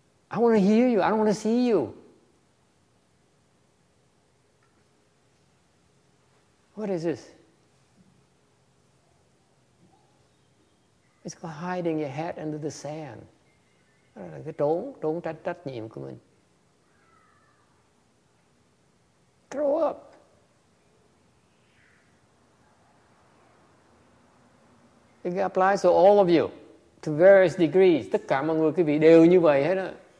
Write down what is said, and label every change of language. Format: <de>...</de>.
<en>I want to hear you. I don't want to see you. What is this? It's called hiding your head under the sand.</en> <vi>Cái trốn, trốn trách trách nhiệm của mình.</vi> <en>Grow up. It applies to all of you, to various degrees.</en> <vi>Tất cả mọi người quý vị đều như vậy hết á.</vi>